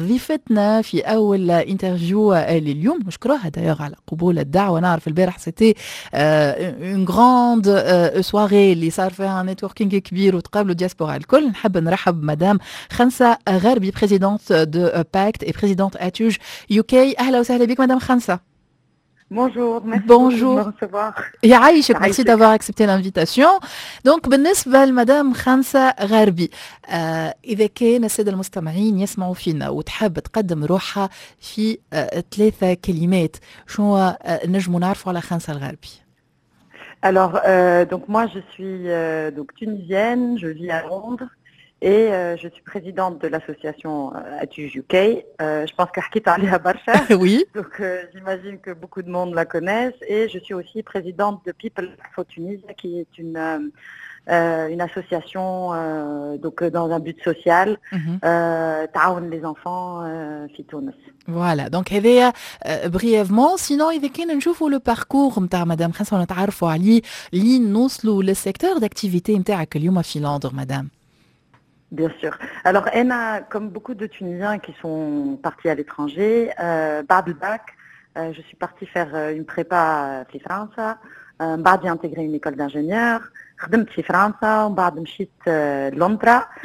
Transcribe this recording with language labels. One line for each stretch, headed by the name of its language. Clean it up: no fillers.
Arabic: ضيفتنا في اول الانترفيو لليوم، نشكرها دايوغ على قبول الدعوة، نعرف البارح سيتي اون غراند سواري اللي صار فيها نتوركينغ كبير وتقابلوا دياسبورا الكل. نحب نرحب مدام خنسة غربي،
French: بريزيدنت دو باكت اي بريزيدنت اتوج يو كي.
Arabic: اهلا وسهلا بك مدام خنسة.
French: Bonjour, merci de me recevoir. Yaïche, merci d'avoir accepté l'invitation.
Arabic: Donc, بالنسبة لمدام خنسة غربي، إذا كان السادة المستمعين يسمعوا فينا وتحب تقدم روحها في ثلاثة كلمات، شو نجمو نعرفوا على خنسة الغربي؟
French: Alors, donc moi je suis donc tunisienne, je vis à Londres et je suis présidente de l'association ATUJ UK. Je pense qu'Arkita Alia Barcha, oui. Donc j'imagine que beaucoup de monde la connaissent. Et je suis aussi présidente de People for Tunisia, qui est une association donc dans un but social,
Arabic: taoun
French: les enfants
Arabic: fi Tunis.
French: Voilà, donc
Arabic: هذا
French: brièvement.
Arabic: Sinon, إذا كان نشوفوا
French: le parcours
Arabic: نتاع مدام خنسة ونتعرفوا عليه، لين نوصلوا
French: le secteur d'activité
Arabic: نتاعك اليوم في لندن مدام.
French: Bien sûr. Alors, Anna, comme beaucoup de Tunisiens qui sont partis à l'étranger,
Arabic: بعد الباك,
French: je suis partie faire une prépa
Arabic: في فرنسا. بعد
French: j'ai intégré une école d'ingénieur.
Arabic: خدمت في فرنسا وبعد مشيت لندن.